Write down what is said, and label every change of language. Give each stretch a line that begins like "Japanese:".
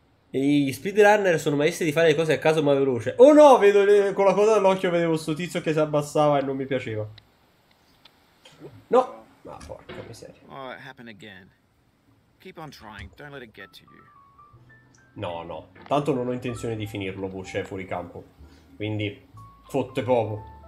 Italian: I speedrunner sono maestri di fare le cose a caso ma veloce. Oh no, vedo con la coda dell'occhio vedevo sto tizio che si abbassava e non mi piaceva. No, ma porca miseria.
English: Oh, it happened again. Keep on trying, don't let it get to you.
Italian: No, no, tanto non ho intenzione di finirlo, Bush, fuori campo. Quindi, fotte poco.